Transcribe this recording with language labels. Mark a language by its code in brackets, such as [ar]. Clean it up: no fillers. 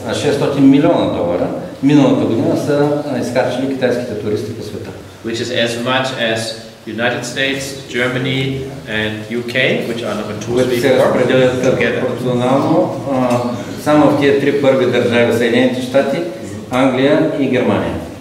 [bg] 2 милиарда и 600 милиона долара миналата година са изкарчили китайските туристи по света. [en] Which is as much as United States, Germany and UK, which are number two together. [bg] Пропорционално, само в тия три първи държави, Съединените щати, Англия и Германия.